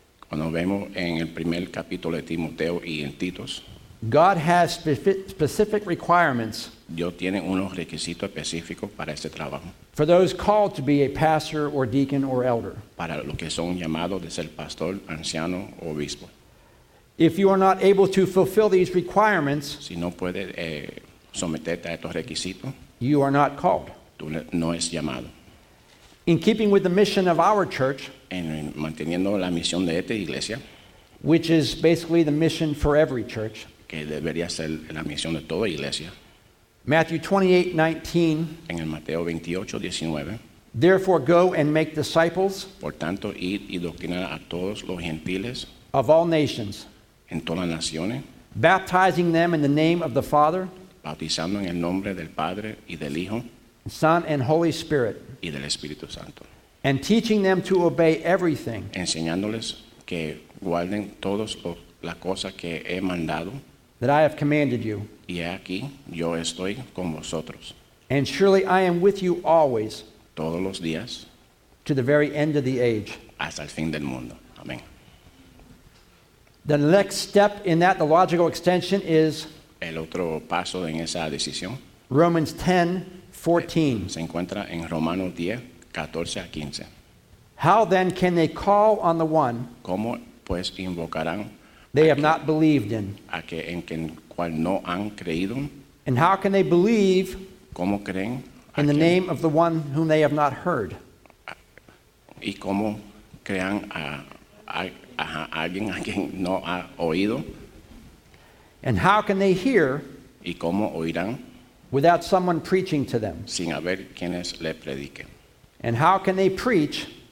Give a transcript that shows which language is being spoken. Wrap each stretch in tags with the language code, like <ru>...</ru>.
<es>cuando vemos en el primer capítulo de Timoteo y en Titos,</es> <en>God has specific requirements.</en> <es>Dios tiene unos requisitos específicos para este trabajo.</es> <en>For those called to be a pastor or deacon or elder.</en> <es>Para los que son llamados de ser pastor, anciano o obispo.</es> <en>If you are not able to fulfill these requirements,</en> <es>si no puedes someterte a estos requisitos,</es> <en>you are not called.</en> <es>Tú no es llamado.</es> <en>In keeping with the mission of our church,</en> <es>en manteniendo la misión de esta iglesia,</es> <en>which is basically the mission for every church,</en> <es>que debería ser la misión de toda iglesia.</es> <en>Matthew 28:19.</en> <es>En el Mateo 28:19.</es> <en>Therefore go and make disciples.</en> <es>Por tanto, ir y doctrinar a todos los gentiles.</es> <en>Of all nations.</en> <es>En todas las naciones.</es> <en>Baptizing them in the name of the Father.</en> <es>Bautizando en el nombre del Padre y del Hijo.</es> <en>Son and Holy Spirit.</en> <es>Y del Espíritu Santo.</es> <en>And teaching them to obey everything.</en> <es>Enseñándoles que guarden todos los la cosa que he mandado,</es> <en>that I have commanded you.</en> <es>Y aquí, yo estoy con vosotros.</es> <en>And surely I am with you always.</en> <es>Todos los días.</es> <en>To the very end of the age.</en> <es>Hasta el fin del mundo. Amén.</es> <en>The next step in that, the logical extension, is</en> <es>el otro paso en esa decisión.</es> <en>Romans 10:14.</en> <es>Se encuentra en Romanos 10:14-15.</es> <en>How then can they call on the one?</en> <es>¿Cómo pues invocarán?</es> <en>They have not believed in.</en> <es>A que, en quien, cual no han creído.</es> <en>And how can they believe?</en> <es>¿Cómo creen</es> <en>in the name of the one whom they have not heard.</en> <es>¿Y cómo crean a alguien a quien no ha oído?</es> <en>And how can they hear?</en> <es>¿Y cómo oirán?</es> <en>Without someone preaching to them.</en> <es>Sin haber quienes le prediquen.</es> <en>And how can they preach?</en>